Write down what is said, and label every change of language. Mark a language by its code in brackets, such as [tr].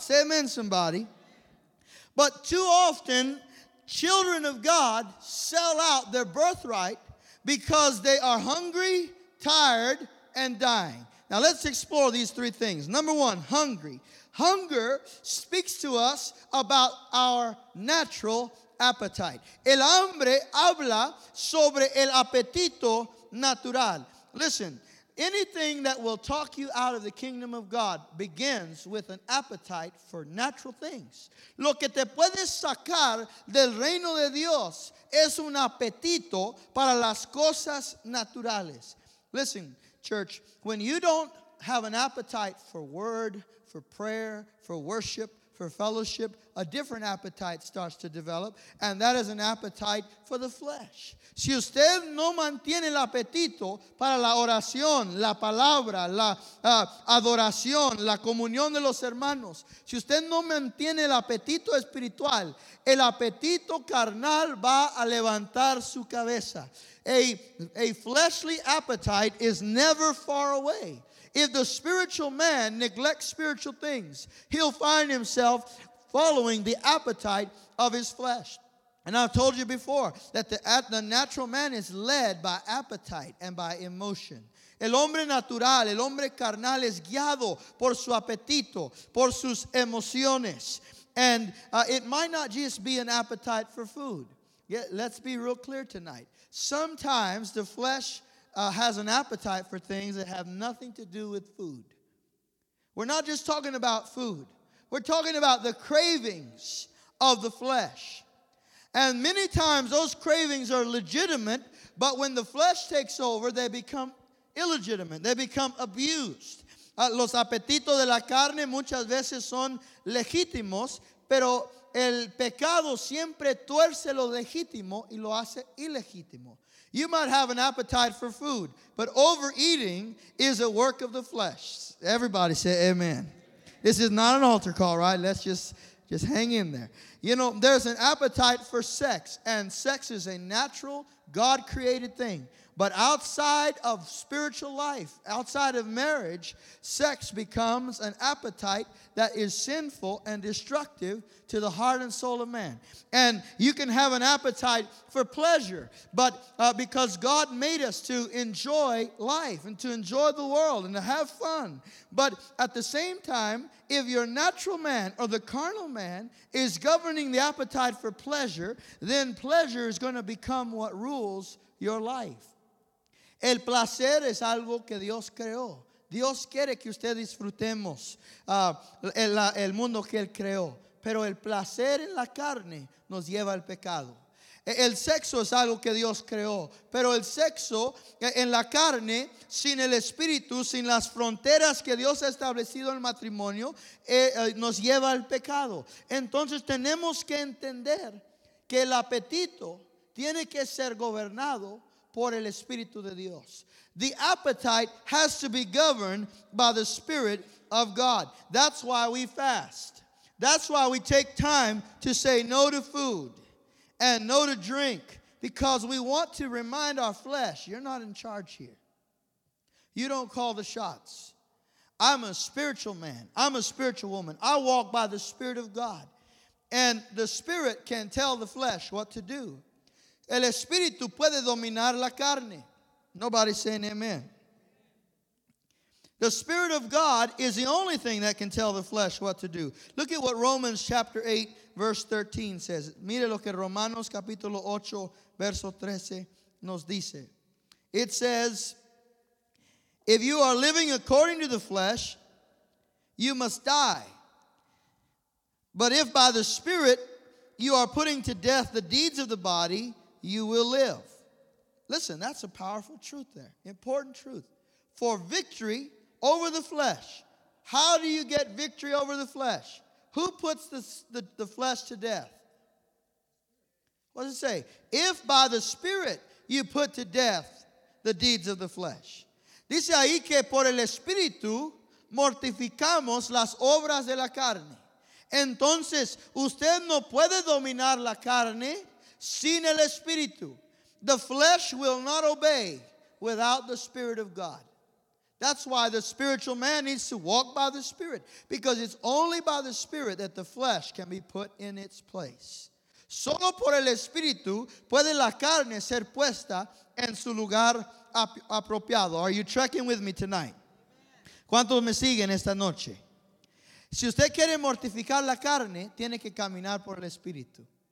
[en] Say amen, somebody. But too often, children of God sell out their birthright because they are hungry, tired, and dying. Now let's explore these three things. Number one, hungry. Hunger speaks to us about our natural appetite. [es] El hambre habla sobre el apetito natural. [en] Listen, anything that will talk you out of the kingdom of God begins with an appetite for natural things. [es] Lo que te puedes sacar del reino de Dios es un apetito para las cosas naturales. [en] Listen, church, when you don't have an appetite for word, for prayer, for worship, for fellowship, a different appetite starts to develop, and that is an appetite for the flesh. [es] Si usted no mantiene el apetito para la oración, la palabra, la adoración, la comunión de los hermanos, si usted no mantiene el apetito espiritual, el apetito carnal va a levantar su cabeza. [en] A fleshly appetite is never far away. If the spiritual man neglects spiritual things, he'll find himself following the appetite of his flesh. And I've told you before that the natural man is led by appetite and by emotion. [es] El hombre natural, el hombre carnal, es guiado por su apetito, por sus emociones. [en] And it might not just be an appetite for food. Yeah, let's be real clear tonight. Sometimes the flesh has an appetite for things that have nothing to do with food. We're not just talking about food. We're talking about the cravings of the flesh. And many times those cravings are legitimate, but when the flesh takes over, they become illegitimate. They become abused. [es] Los apetitos de la carne muchas veces son legítimos, pero el pecado siempre tuerce lo legítimo y lo hace ilegítimo. [en] You might have an appetite for food, but overeating is a work of the flesh. Everybody say amen. This is not an altar call, right? Let's just hang in there. You know, there's an appetite for sex, and sex is a natural, God-created thing. But outside of spiritual life, outside of marriage, sex becomes an appetite that is sinful and destructive to the heart and soul of man. And you can have an appetite for pleasure, but because God made us to enjoy life and to enjoy the world and to have fun. But at the same time, if your natural man or the carnal man is governing the appetite for pleasure, then pleasure is going to become what rules your life. [es] El placer es algo que Dios creó. Dios quiere que usted disfrutemos el mundo que Él creó. Pero el placer en la carne nos lleva al pecado. El sexo es algo que Dios creó. Pero el sexo en la carne, sin el espíritu, sin las fronteras que Dios ha establecido en el matrimonio, nos lleva al pecado. Entonces tenemos que entender que el apetito tiene que ser gobernado por el Espíritu de Dios. [en] The appetite has to be governed by the Spirit of God. That's why we fast. That's why we take time to say no to food and no to drink, because we want to remind our flesh, you're not in charge here. You don't call the shots. I'm a spiritual man. I'm a spiritual woman. I walk by the Spirit of God. And the Spirit can tell the flesh what to do. [es] El espíritu puede dominar la carne. [en] Nobody's saying amen. The Spirit of God is the only thing that can tell the flesh what to do. [es] Look at what Romans chapter 8, verse 13 says. Mire lo que Romanos capítulo 8, verso 13 nos dice. [en] It says, if you are living according to the flesh, you must die. But if by the Spirit you are putting to death the deeds of the body, you will live. Listen, that's a powerful truth there. Important truth. For victory over the flesh. How do you get victory over the flesh? Who puts the flesh to death? What does it say? If by the Spirit you put to death the deeds of the flesh. [es] Dice ahí que por el Espíritu mortificamos las obras de la carne. Entonces, usted no puede dominar la carne sin el Espíritu. [en] The flesh will not obey without the Spirit of God. That's why the spiritual man needs to walk by the Spirit, because it's only by the Spirit that the flesh can be put in its place. [es] Solo por el Espíritu puede la carne ser puesta en su lugar apropiado. Are you tracking with me tonight? Amen. ¿Cuántos me siguen esta noche? Si usted quiere mortificar la carne, tiene que caminar por el Espíritu.